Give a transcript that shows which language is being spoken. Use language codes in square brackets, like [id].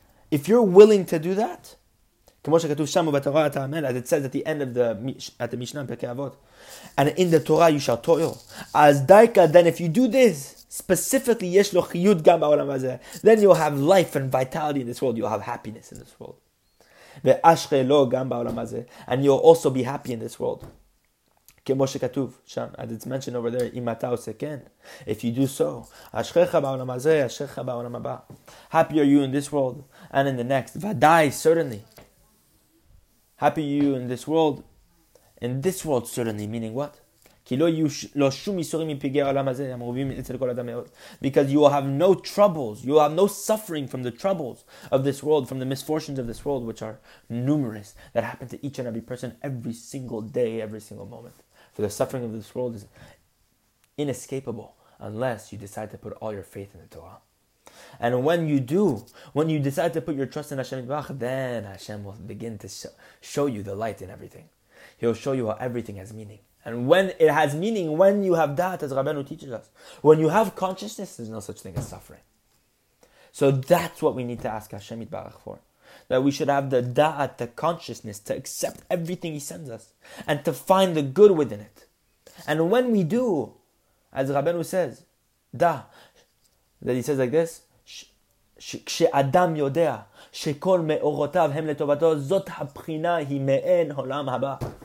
[en] If you're willing to do that, as it says at the Mishnah Pirkei Avot, and in the Torah you shall toil. As daika, then if you do this, specifically, [he] yesh lo chiyut gam ba'olam hazeh, [en] then you'll have life and vitality in this world, you'll have happiness in this world. [he] Ve'ashre lo gam ba'olam hazeh, [en] and you'll also be happy in this world. [he] כמו שכתוב שם, [en] as it's mentioned over there, [he] אם אתה עושה כן, [en] if you do so, [he] אשריך בעולם הזה, אשריך בעולם הבא. [en] Happy are you in this world and in the next. [he] ודאי, [en] certainly. Happy you in this world. In this world, certainly, meaning what? Because you will have no troubles. You will have no suffering from the troubles of this world, from the misfortunes of this world, which are numerous, that happen to each and every person every single day, every single moment. For the suffering of this world is inescapable unless you decide to put all your faith in the Torah. And when you do, when you decide to put your trust in Hashem Yitbarach, then Hashem will begin to show you the light in everything. He'll show you how everything has meaning. And when it has meaning, when you have that, as Rabbeinu teaches us, when you have consciousness, there's no such thing as suffering. So that's what we need to ask Hashem Yitbarach for. That we should have the da'at, the consciousness, to accept everything He sends us, and to find the good within it. And when we do, as Rabbeinu says, da, that he says like this. [he] כשאדם יודע שכל מאורותיו הם לטובתו, זאת הבחינה היא מעין עולם הבא.